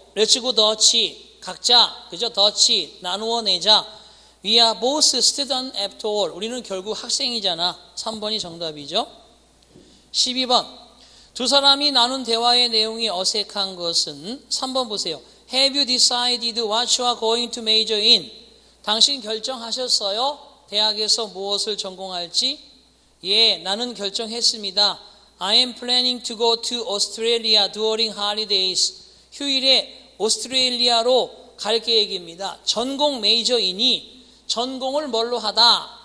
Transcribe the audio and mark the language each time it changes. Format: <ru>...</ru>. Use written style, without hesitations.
<en>Let's go, Dutch.</en> <ko>각자, 그죠? Dutch. 나누어 내자.</ko> <en>We are both students after all.</en> <ko>우리는 결국 학생이잖아. 3번이 정답이죠. 12번. 두 사람이 나눈 대화의 내용이 어색한 것은 3번 보세요.</ko> <en>Have you decided what you are going to major in?</en> <ko>당신 결정하셨어요? 대학에서 무엇을 전공할지? 예, 나는 결정했습니다.</ko> <en>I am planning to go to Australia during holidays.</en> <ko>휴일에 오스트레일리아로 갈 계획입니다. 전공 메이저이니 전공을 뭘로 하다?</ko>